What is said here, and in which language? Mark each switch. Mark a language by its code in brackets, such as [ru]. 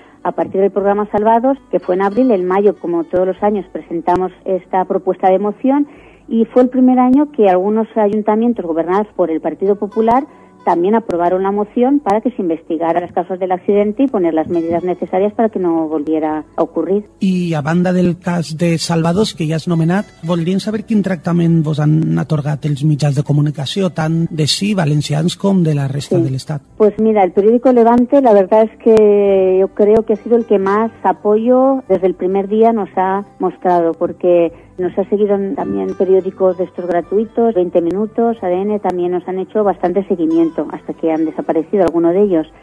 [es] A partir del programa Salvados, que fue en abril, en mayo, como todos los años, presentamos esta propuesta de moción y fue el primer año que algunos ayuntamientos gobernados por el Partido Popular también aprobaron la moción para que se investigara los casos del accidente y poner las medidas necesarias para que no volviera a ocurrir. [ca] Y a banda del cas de Salvados, que ja has nomenat, voldríem saber quin tractament vos han atorgat els mitjans de comunicació, tant de sí, valencians, com de la resta de l'Estat. [es] Pues mira, el periódico Levante, la verdad es que yo creo que ha sido el que más apoyo desde el primer día nos ha mostrado, porque Nos ha seguido también periódicos de estos gratuitos, 20 minutos, ADN, también nos han hecho bastante seguimiento hasta que han desaparecido alguno de ellos.